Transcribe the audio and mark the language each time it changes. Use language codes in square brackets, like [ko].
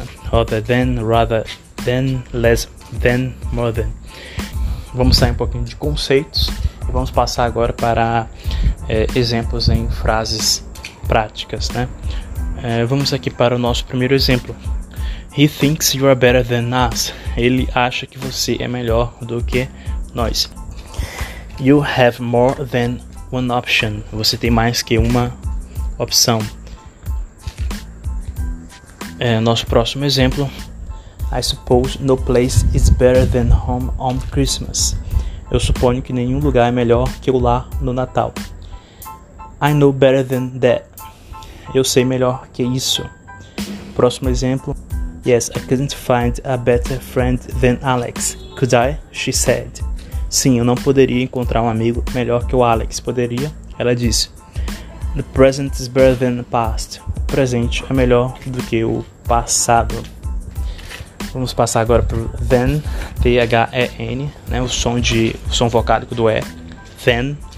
[en] Other than, rather than, less than, more than. [pt] Vamos sair um pouquinho de conceitos e vamos passar agora para exemplos em frases práticas, né? Vamos aqui para o nosso primeiro exemplo. [en] He thinks you are better than us. [pt] Ele acha que você é melhor do que nós. [en] You have more than one option. [pt] Você tem mais que uma opção. Nosso próximo exemplo. [en] I suppose no place is better than home on Christmas. [pt] Eu suponho que nenhum lugar é melhor que o lar no Natal. [en] I know better than that. [pt] Eu sei melhor que isso. Próximo exemplo. [en] Yes, I couldn't find a better friend than Alex. Could I? She said. [pt] Sim, eu não poderia encontrar um amigo melhor que o Alex. Poderia? Ela disse. [en] The present is better than the past. [pt] O presente é melhor do que o passado. Vamos passar agora para o then, THEN, né, o som vocálico do E, then.